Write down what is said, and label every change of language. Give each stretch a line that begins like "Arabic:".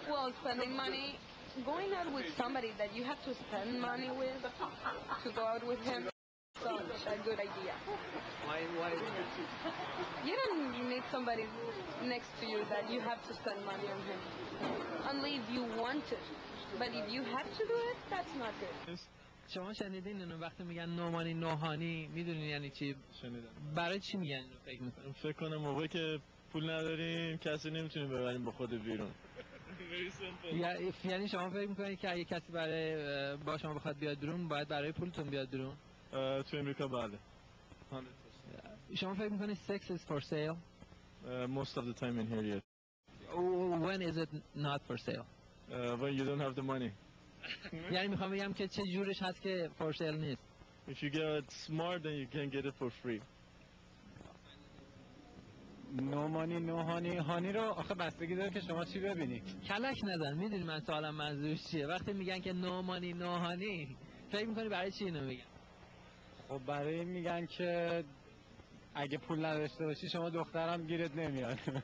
English: Well, spending money, going out with somebody that you have to spend money with to go out with him, such a good idea. Why? You don't need somebody next to you that you have to spend money on him. Only if you want it. But if you have to do it, that's not good.
Persian: شما شنیدین اینو وقتی میگن نومانی نوهانی، میدونین یعنی چی؟ شنیدم. برای چی میگن اینو فکر میکنم؟ فکر کنم موقعی که پول نداریم کسی نمیتونیم ببریم با خود بیرون. یعنی شما فکر میکنید که اگه کسی برای با شما بخواد بیاد بیرون باید برای پولتون بیاد بیرون؟ تو امریکا بله. شما فکر میکنید
English: sex is for sale? Most of the time in here, yes. When is it not for sale? When you don't have the money.
Persian: یعنی میخوام بگم که چه جورش هست که
English: for sale
Persian: نیست.
English: If you get smart then you can get it for free. No money no honey.
Persian: هانی رو آخه بستگی داره که شما چی ببینید. کلک نزن، میدونی من سوالم منظورش چیه. وقتی میگن که
English: no money no honey،
Persian: فکر میکنی برای چی اینو میگن؟ خب برای این میگن که اگه پول نداشته باشی شما دخترم گیرت نمیاد.